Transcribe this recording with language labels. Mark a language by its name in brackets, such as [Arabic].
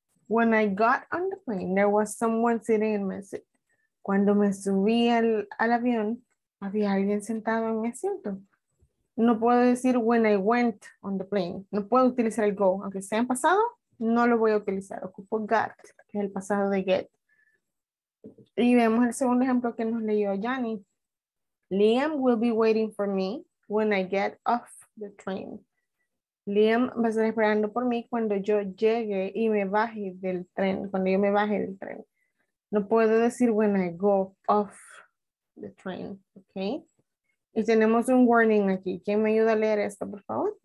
[English] When I got on the plane, there was someone sitting in my seat. [Spanish] Cuando me subí al avión, había alguien sentado en mi asiento. No puedo decir [English] when I went on the plane. [Spanish] No puedo utilizar el go. Aunque sea en pasado, no lo voy a utilizar. Ocupo got, que es el pasado de get. Y vemos el segundo ejemplo que nos leyó Jani. [English] Liam will be waiting for me when I get off the train. [Spanish] Liam va a estar esperando por mí cuando yo llegue y me baje del tren, cuando yo me baje del tren. No puedo decir [English] when I go off the train, [Spanish] ¿ok? Y tenemos un warning aquí. ¿Quién me ayuda a leer esto, por favor?